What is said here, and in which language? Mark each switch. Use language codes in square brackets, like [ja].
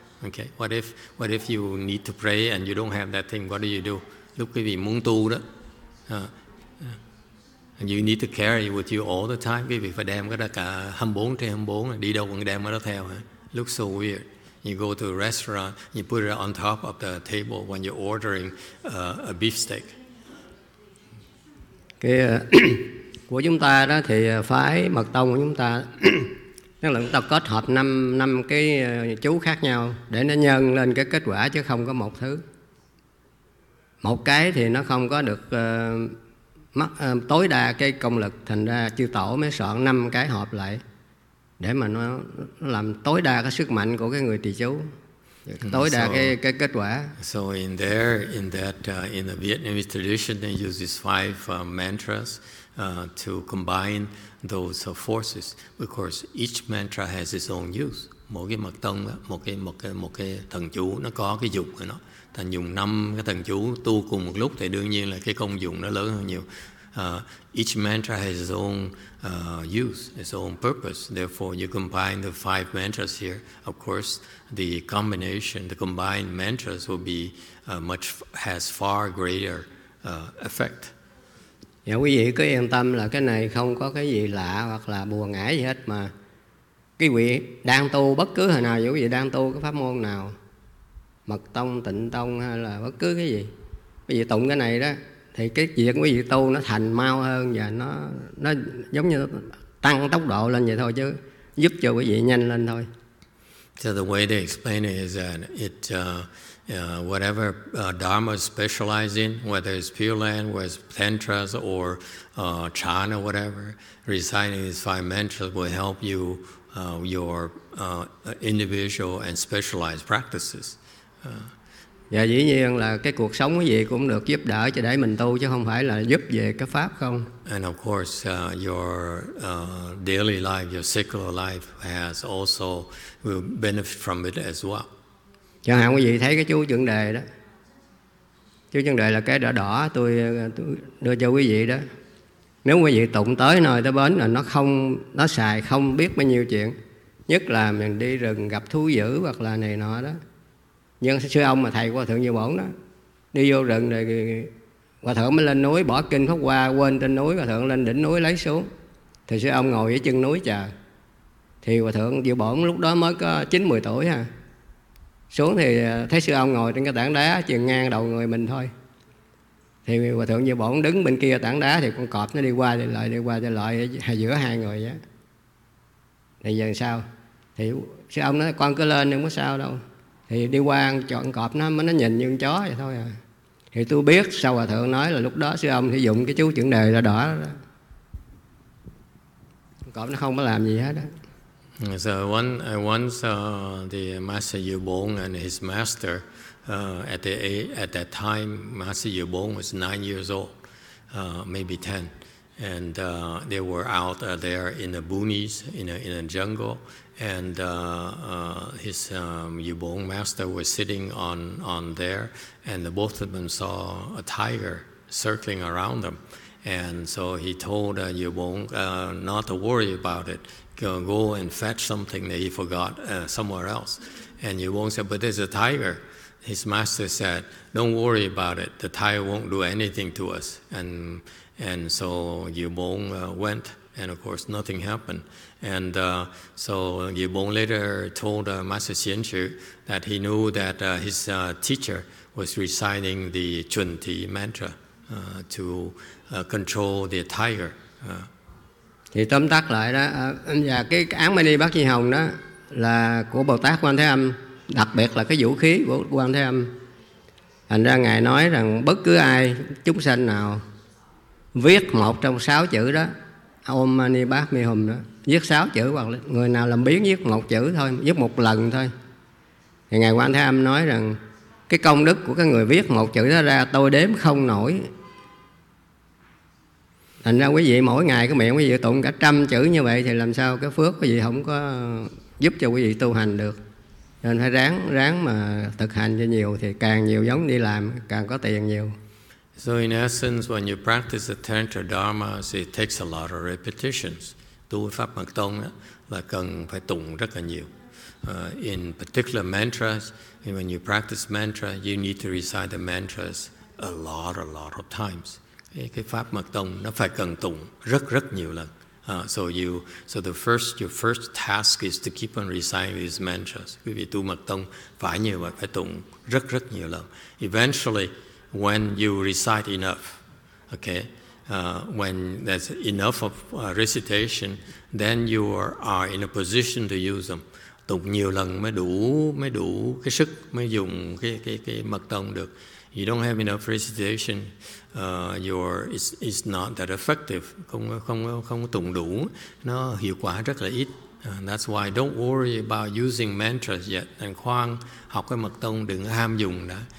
[en] Okay, what if you need to pray and you don't have that thing? What do you do? [vi] Lúc quý vị muốn tu đó. [en] And you need to carry it with you all the time. [vi] Quý vị phải đem cái đó cả 24/24, đi đâu cũng đem cái đó theo. [en] Looks so weird. You go to a restaurant, you put it on top of the table when you're ordering a beefsteak. [vi] Cái của chúng ta đó thì phái mật tông của chúng ta, tức là chúng ta kết hợp năm cái chú khác nhau để nó nhân lên cái kết quả, chứ không có một thứ. Một cái thì nó không có được mắc tối đa cái công lực, thành ra chư tổ mới soạn năm cái hợp lại để mà nó làm tối đa cái sức mạnh của cái người trì chú, tối đa cái kết quả. [en] So in the Vietnamese tradition, they use these five mantras to combine those forces. Of course, each mantra has its own use. [vi] Mỗi cái mật tông, một cái thần chú nó có cái dụng của nó. Thành dùng năm cái thần chú tu cùng một lúc thì đương nhiên là cái công dụng nó lớn hơn nhiều. [en] Each mantra has its own use, its own purpose. Therefore, you combine the five mantras here. Of course, the combined mantras will be has far greater effect. [vi] Dạ, quý vị cứ yên tâm là cái này không có cái gì lạ hoặc là buồn ngãi gì hết, mà quý vị đang tu bất cứ hồi nào, dù quý vị đang tu cái pháp môn nào, mật tông, tịnh tông hay là bất cứ cái gì, quý vị tụng cái này đó thì cái việc quý vị tu nó thành mau hơn và nó giống như tăng tốc độ lên vậy thôi, chứ giúp cho quý vị nhanh lên thôi. [en] So the way they explain it is that whatever Dharma is specialized in, whether it's Pure Land, whether it's Tantras or Chan or whatever, reciting these five mantras will help you your individual and specialized practices. [vi] Và dĩ nhiên là cái cuộc sống quý vị cũng được giúp đỡ cho để mình tu, chứ không phải là giúp về cái pháp không. [en] And of course your daily life, your secular life has also will benefit from it as well. [vi] Chẳng hạn quý vị thấy cái chú chuẩn đề đó, chú chuẩn đề là cái đỏ đỏ tôi đưa cho quý vị đó. Nếu quý vị tụng tới nơi tới bến là nó không, nó xài không biết bao nhiêu chuyện, nhất là mình đi rừng gặp thú dữ hoặc là này nọ đó. Nhưng sư ông mà thầy của Hòa Thượng Như Bổn đó, đi vô rừng rồi Hòa Thượng mới lên núi bỏ kinh Pháp Hoa quên trên núi, Hòa Thượng lên đỉnh núi lấy xuống, thì sư ông ngồi ở chân núi chờ. Thì Hòa Thượng Diệu Bổn lúc đó mới có 9-10 tuổi ha. Xuống thì thấy sư ông ngồi trên cái tảng đá chừng ngang đầu người mình thôi. Thì Hòa Thượng Diệu Bổn đứng bên kia tảng đá, thì con cọp nó đi qua đi lại giữa hai người á. Thì giờ sao? Thì sư ông nói con cứ lên đừng có sao đâu. Thì đi qua con cọp nó mới, nó nhìn như con chó vậy thôi à. Thì tôi biết sao Hòa Thượng nói là lúc đó sư ông sử dụng cái chú chuẩn đề là đỏ đó. Con cọp nó không có làm gì hết đó. [en] So once the Master Yu Bong and his master, at that time, Master Yu Bong was 9 years old, maybe 10, and they were out there in the boonies, in a jungle, and his Yu Bong master was sitting on there, and the both of them saw a tiger circling around them, and so he told Yu Bong not to worry about it. Go and fetch something that he forgot somewhere else. And Yu Bong said, but there's a tiger. His master said, don't worry about it. The tiger won't do anything to us. And so Yu Bong went, and of course nothing happened. And so Yu Bong later told Master Xian Chu that he knew that his teacher was reciting the Chun Ti mantra to control the tiger. [vi] Thì tóm tắt lại đó, và cái án Mani Bát Di Hồng đó là của Bồ Tát Quan Thế Âm, đặc biệt là cái vũ khí của Quan Thế Âm. Thành ra Ngài nói rằng bất cứ ai, chúng sanh nào viết một trong 6 chữ đó, Om Mani Bát Mi Hùng đó, viết 6 chữ, hoặc là người nào làm biến viết một chữ thôi, viết một lần thôi, thì Ngài Quan Thế Âm nói rằng cái công đức của cái người viết một chữ đó ra tôi đếm không nổi. Thành ra quý vị mỗi ngày cái miệng quý vị tụng cả 100 chữ như vậy thì làm sao cái phước quý vị không có giúp cho quý vị tu hành được. Nên phải ráng mà thực hành cho nhiều, thì càng nhiều giống đi làm càng có tiền nhiều. [en] So in essence, when you practice the Tantra Dharma, it takes a lot of repetitions. [vi] Tu Pháp Mật Tông là cần phải tụng rất là nhiều. [en] In particular mantras, when you practice mantra, you need to recite the mantras a lot of times. [vi] Cái pháp mật tông nó phải cần tụng rất rất nhiều lần. [en] So your first task is to keep on reciting these mantras. [vi] Quý vị tu mật tông phải nhiều và phải tụng rất rất nhiều lần. [en] Eventually, when you recite enough, okay, when there's enough of recitation, then you are in a position to use them. [vi] Tụng nhiều lần mới đủ cái sức mới dùng cái mật tông được. [en] You don't have enough recitation, it's not that effective. [vi] Không tụng đủ, nó hiệu quả rất là ít. [en] That's why don't worry about using mantras yet. [vi] And khoan học cái mật tông, đừng ham dùng đã.